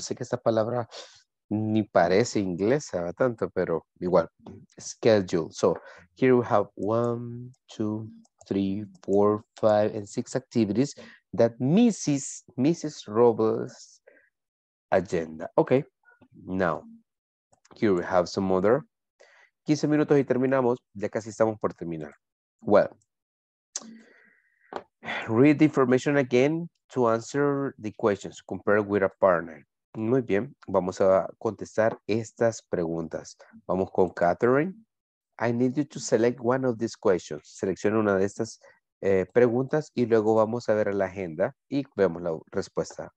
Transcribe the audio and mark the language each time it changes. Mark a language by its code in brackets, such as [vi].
[es] Sé que esta palabra ni parece inglesa tanto, pero igual. [en] Schedule. So, here we have 1, 2, 3, 4, 5, and 6 activities that Mrs. Robles' agenda. Ok. Now, here we have some other. [es] 15 minutos y terminamos. Ya casi estamos por terminar. [en] Well, read the information again to answer the questions compared with a partner. [es] Muy bien. Vamos a contestar estas preguntas. Vamos con Catherine. [en] I need you to select one of these questions. [es] Selecciona una de estas preguntas y luego vamos a ver la agenda y vemos la respuesta.